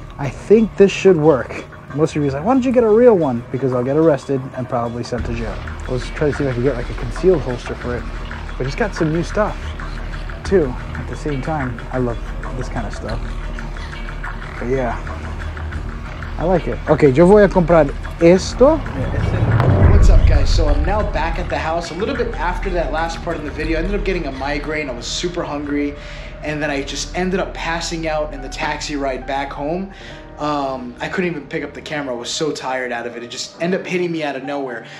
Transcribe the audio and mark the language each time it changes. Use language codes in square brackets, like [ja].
[en] I think this should work. Most of you are like, why don't you get a real one? Because I'll get arrested and probably sent to jail. Let's try to see if I can get like a concealed holster for it. But it's got some new stuff too at the same time. I love this kind of stuff. But yeah, I like it. [es] Okay, yo voy a comprar esto. [en] What's up, guys? So I'm now back at the house. A little bit after that last part of the video, I ended up getting a migraine. I was super hungry. And then I just ended up passing out in the taxi ride back home. I couldn't even pick up the camera. I was so tired out of it. It just ended up hitting me out of nowhere.